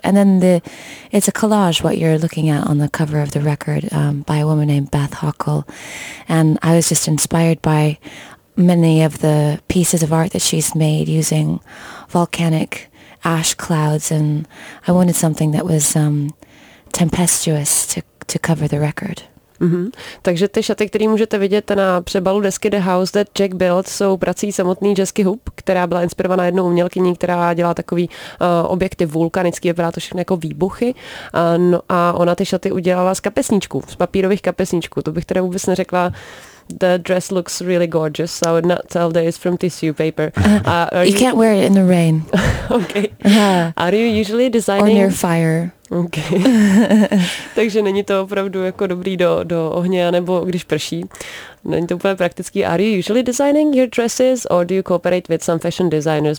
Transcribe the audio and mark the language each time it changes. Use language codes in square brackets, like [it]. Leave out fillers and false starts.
[en] And then it's a collage, what you're looking at on the cover of the record, by a woman named Beth Hockel. And I was just inspired by many of the pieces of art that she's made using volcanic ash clouds. And I wanted something that was tempestuous to cover the record. Mm-hmm. [cs] Takže ty šaty, které můžete vidět na přebalu desky The House That Jack Built, jsou prací samotný Jesky Hoop, která byla inspirovaná jednou umělkyní, která dělá takový objekty vulkanický, vypadá to všechno jako výbuchy. A ona ty šaty udělala z kapesníčků, z papírových kapesníčků. To bych teda vůbec neřekla. [en] The dress looks really gorgeous. So I would not tell that it's from tissue paper. You can't wear it in the rain. Okay. Are you usually designing? Or near fire. Okay. [cs] Takže není to opravdu jako dobrý do ohně, nebo když prší. Není to úplně praktický. [en] Are you usually designing your dresses or do you cooperate with some fashion designers?